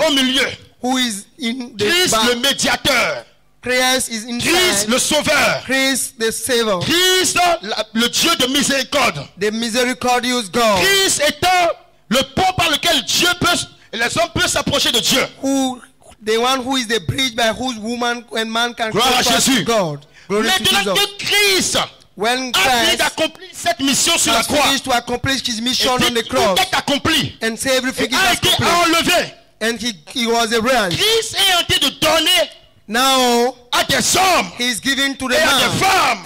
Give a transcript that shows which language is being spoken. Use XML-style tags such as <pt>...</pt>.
<fr>Christ au milieu.</fr> <en>Who is in the</en> <fr>Christ back. Le médiateur.</fr> <en>Christ is in</en> <fr>Christ le sauveur.</fr> <en>Christ the saver.</en> <fr>Christ le Dieu de miséricorde.</fr> <en>The misericordious God.</en> <fr>Christ étant le pont par lequel Dieu peut les hommes peuvent s'approcher de Dieu.</fr> <en>Who the one who is the bridge by whose woman and man can cross to God.</en> <fr>Maintenant que Christ,</fr> <en>when Christ</en> <fr>a fini d'accomplir cette mission sur la croix,</fr> <en>to accomplish his mission on the cross,</en> <fr>tout est accompli,</fr> <en>and say everything</en> <fr>et a été enlevé,</fr> <en>and he was arrived.</en> <fr>Christ est en train de donner</fr> <en>now,</en> <fr>à des hommes,</fr> <en>he is giving to the</en> <fr>et</fr> <en>man,</en> <fr>à des femmes,</fr>